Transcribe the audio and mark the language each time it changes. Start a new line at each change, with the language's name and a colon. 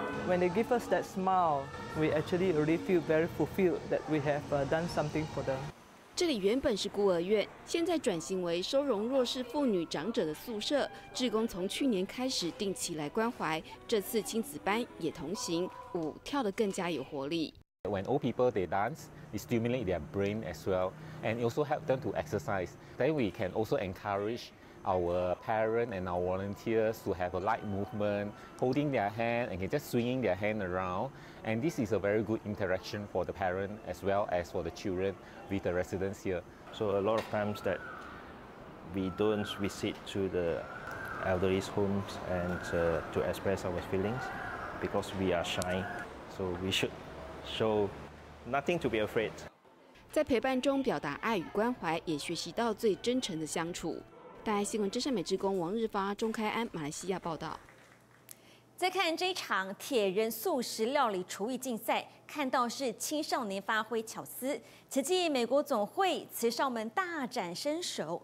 English: When they give us that smile, we actually really feel very fulfilled that we have done something for them.
Chinese: 这里原本是孤儿院，现在转型为收容弱势妇女长者的宿舍。志工从去年开始定期来关怀，这次亲子班也同行，舞跳得更加有活力。
English: When old people they dance, it stimulates their brain as well, and also help them to exercise. Then we can also encourage. Our parents and our volunteers to have a light movement, holding their hand and just swinging their hand around. And this is a very good interaction for the parent as well as for the children with the residents here. So a lot of times that we don't visit to the elderly's homes and to express our feelings because we are shy. So we should show nothing to be afraid.
Chinese: 在陪伴中表达爱与关怀，也学习到最真诚的相处。在新闻真善美志工王日发、钟开安，马来西亚报道。再看这场铁人素食料理厨艺竞赛，看到是青少年发挥巧思，慈济美国总会慈少们大展身手。